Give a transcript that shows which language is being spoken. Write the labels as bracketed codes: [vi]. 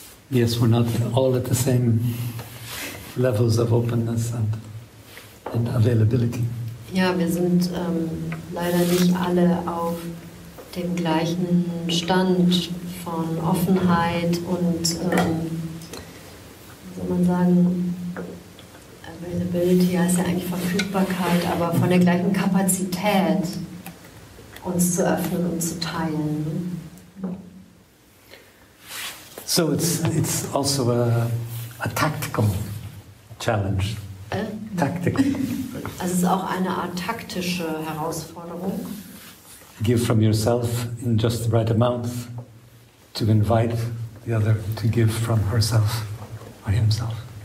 [en] Ja, yes, we're not all at the same levels of openness and availability. [de] Ja, wir sind leider nicht alle auf dem gleichen Stand von Offenheit und wie soll man sagen, Availability heißt ja eigentlich Verfügbarkeit, aber von der gleichen Kapazität, uns zu öffnen und zu teilen. [en] So it's also a tactical challenge. Tactical. [de] Also es ist auch eine Art taktische Herausforderung. [en] Give from yourself in just the right amount to invite the other to give from herself or himself.